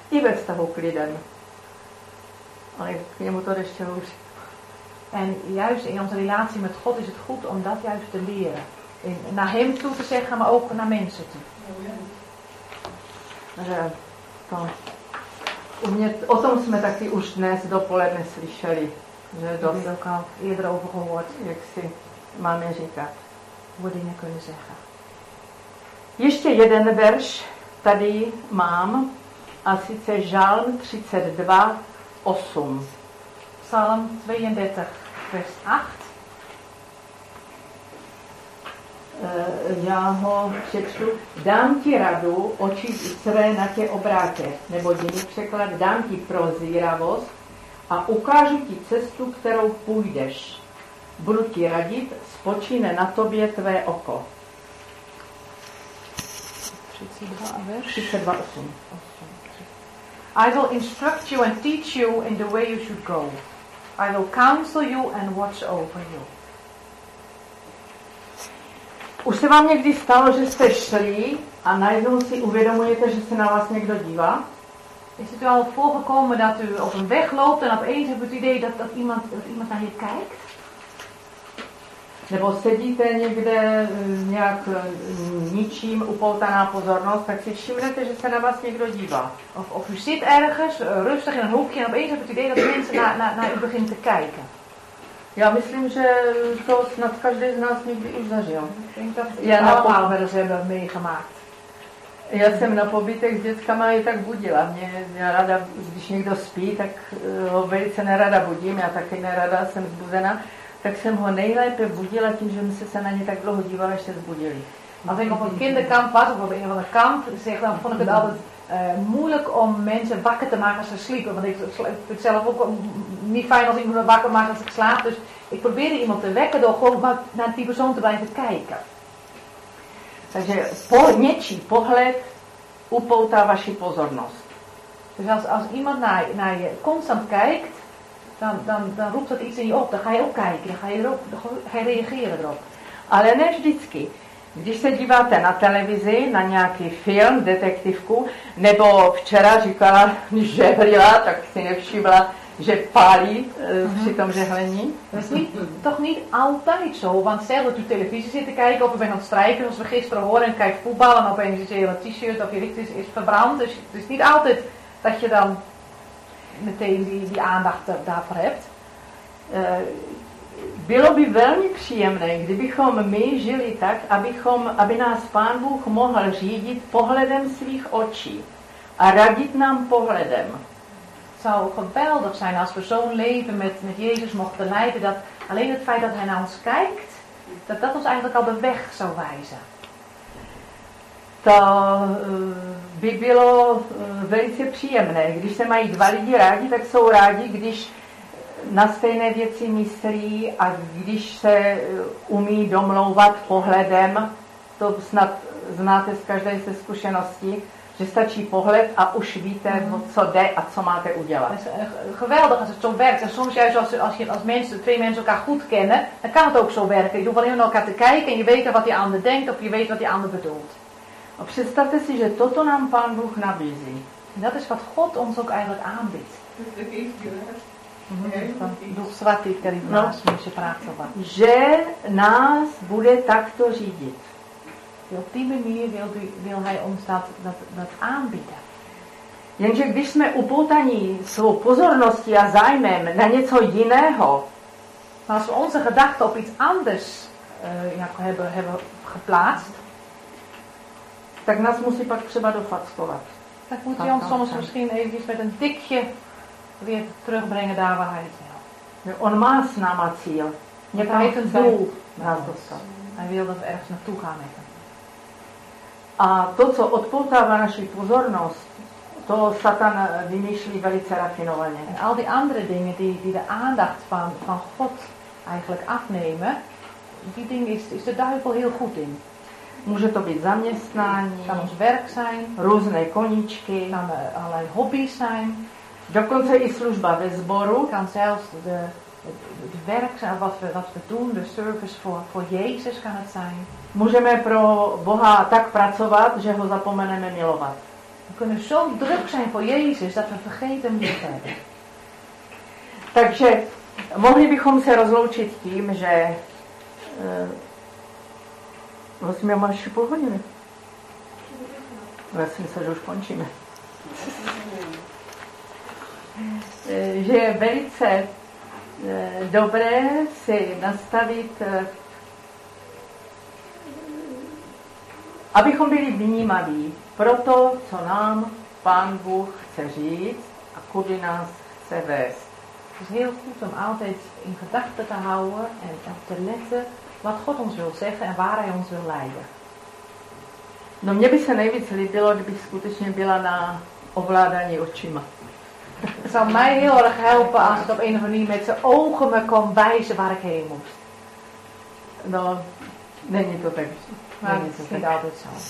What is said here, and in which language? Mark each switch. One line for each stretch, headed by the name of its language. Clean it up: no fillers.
Czech: I ve vztahu k lidem. Ale k němu to ještě už.
Dutch: En juist in onze relatie met God is het goed om dat juist te leren. Naar hem toe te zeggen, maar ook naar mensen toe.
Czech: To. O tom jsme taky už dnes dopoledne slyšeli. Že dost
Dutch: eerder over gehoord,
Czech: jak si máme říkat. Bude někoho
Dutch: zeggen.
Czech: Ještě jeden verš tady mám, a sice Žalm 32, 8.
Dutch: Psalm 32, vers 8.
Czech: Já ho přečtu. Dám ti radu, oči své na tě obrátě. Nebo jiný překlad, dám ti prozíravost a ukážu ti cestu, kterou půjdeš. Budu ti radit, spočíne na tobě tvé oko. 32:8.
English: I will instruct you and teach you in the way you should go. I will counsel you and watch over you.
Czech: Už se vám někdy stalo, že jste šli a najednou si uvědomujete, že se na vás někdo dívá?
Dutch: Is het u al voorgekomen dat u op een weg loopt en opeens hebt u het idee dat iemand naar je kijkt?
Czech: Nebo sedíte někde nějak ničím upoutaná pozornost, tak si všimnete, že se na vás někdo dívá.
Dutch: Of u zit ergens, rustig in een hoekje, en opeens hebt u het idee dat mensen naar u beginnen te kijken.
Czech: Já myslím, že to snad každý z nás někdy už zažil. Já na pohledu jsem to
Dutch: meegemaakt.
Czech: Já jsem na pobytech s dětkama je tak budila. Mě já ráda, když někdo spí, tak ho velice nerada budím, já taky nerada jsem zbuzena, tak jsem ho nejlépe budila tím, že jsem se na ně tak dlouho dívala, až se zbudili. A ten mohl
Dutch: kinderkamp was, of een van de kamp, zeg dan, vond ik het altijd moeilijk om mensen wakker te maken als ze sliepen. Want ik vind het zelf ook niet fijn als iemand me wakker maakt als ik slaap. Dus ik probeerde iemand te wekken door gewoon naar die persoon te blijven kijken. Dus
Czech: niečí pohled upoutá vaši pozornost.
Dutch: Dus als iemand naar je constant kijkt, dan roept dat iets in je op. Dan ga je ook kijken, dan ga je reageren erop.
Czech: Ale ne vždycky. Když se díváte na televizi, na nějaký film, detektivku, nebo včera říkala, že hrila, tak si nevšimla, že pálí při tom žehlení.
Dutch: Toch niet altijd zo, want stel dat u televisie zit te kijken, of u bent aan het strijken, zoals we gisteren horen, en kijkt voetbal, en opeens is je hele t-shirt of je licht is verbrand. Dus het is niet altijd dat je dan meteen die aandacht daarvoor hebt.
Czech: Bylo by velmi příjemné, kdybychom my žili tak, aby nás Pán Bůh mohl řídit pohledem svých očí a radit nám pohledem.
Dutch: Zou geweldig zijn als we zo'n leven met Jezus mochten leiden, dat alleen het feit dat hij naar ons kijkt, dat ons eigenlijk al de weg zou wijzen.
Czech: To by bylo velice příjemné. Když se mají dva lidi rádi, tak jsou rádi, když na stejné věci myslí a když se umí domlouvat pohledem, to snad znáte z každé se zkušenosti, že stačí pohled a už víte, co jde a co máte udělat.
Dutch: Geweldig als het zo werkt. En soms juist als mensen, twee mensen elkaar goed kennen, dan kan het ook zo werken. Je hoeft alleen naar elkaar te kijken en je weet wat die ander denkt of je weet wat die ander bedoelt.
Czech: A představte si, že toto nám Pán Bůh nabízí.
Dutch: Dat is wat God ons ook eigenlijk aanbiedt.
Czech: Duch svatý, který v nás může pracovat. Že nás bude takto řídit. Op tým mír byl hej omstát nad aanbíde. Jenže když jsme upoutaní svou pozorností a zájmem na něco jiného,
Dutch: als we onze gedachte op iets anders hebben geplaatst,
Czech: tak nás musí pak třeba dofackovat.
Dutch: Tak moet je ons soms misschien eventjes met een tikje weer terugbrengen daar waar hij het wil.
Czech: On má s náma cíl. Někam
Dutch: heeft een doel naar
Czech: dostat.
Dutch: Hij wil dat we ergens naartoe gaan met hem.
Czech: A to, co odpoutává naši pozornost, to Satan vymýšlí velice rafinovaně.
Dutch: En al die andere dingen die de aandacht van God eigenlijk afnemen, die ding is de duivel heel goed in.
Czech: Může to být zaměstnání,
Dutch: kan ons werk zijn,
Czech: různé koníčky,
Dutch: kan allerlei hobby's zijn,
Czech: dokonce i služba ve sboru.
Dutch: Kan zelfs het werk zijn, wat we doen, de service voor Jezus kan het zijn.
Czech: Můžeme pro Boha tak pracovat, že ho zapomeneme milovat.
Dutch: We kunnen zo druk zijn voor Jezus, dat we vergeten moeten.
Czech: Takže mohli bychom se rozloučit tím, že vlastně mám ještě půl hodiny. Já si myslím, že už končíme. Že je velice dobré si nastavit, abychom byli vnímaví pro to, co nám Pán Bůh chce říct a kudy nás chce vést.
Dutch: Je heel goed om altijd in gedachte te houden en op te letten wat God ons wil zeggen en waar hij ons wil leiden.
Czech: No mně by se nejvíc líbilo, kdybych skutečně byla na ovládání očima.
Dutch: Het zou mij heel erg helpen als het op een of andere manier met zijn ogen me kon wijzen waar ik heen moest. Nou, nee, niet tot echt. Maar het is niet altijd zo.